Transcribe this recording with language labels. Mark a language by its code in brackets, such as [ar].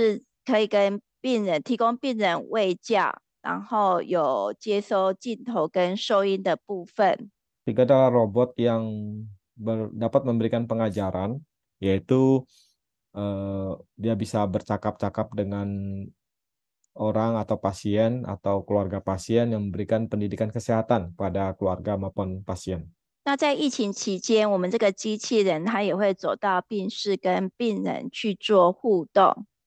[zh] 那第三个机器人的话，它是可以是类似聊天的机器人，它可以跟就是可以跟病人提供病人喂教。 [id] Tiga adalah robot yang dapat memberikan pengajaran, yaitu dia bisa bercakap-cakap dengan orang atau pasien atau keluarga pasien yang memberikan pendidikan kesehatan pada keluarga maupun pasien. [zh] 那在疫情期间，我们这个机器人它也会走到病室跟病人去做互动。